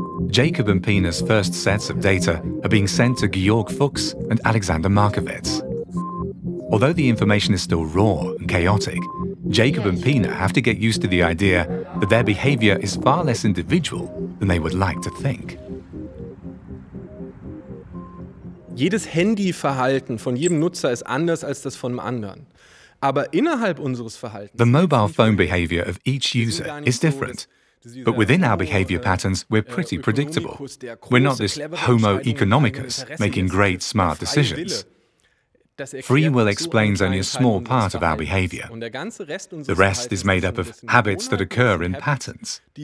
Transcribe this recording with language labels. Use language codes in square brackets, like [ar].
[en] JAKOB and Pina's first sets of data are being sent to Georg Fuchs and Alexander Markovits. Although the information is still raw and chaotic, JAKOB and Pina have to get used to the idea that their behavior is far less individual than they would like to think. [de] Jedes Handyverhalten von jedem Nutzer ist anders als das von einem anderen. Aber innerhalb unseres Verhaltens, [en] the mobile phone behavior of each user is different. But within our behavior patterns, we're pretty predictable. We're not this homo economicus making great smart decisions. Free will explains only a small part of our behavior. The rest is made up of habits that occur in patterns.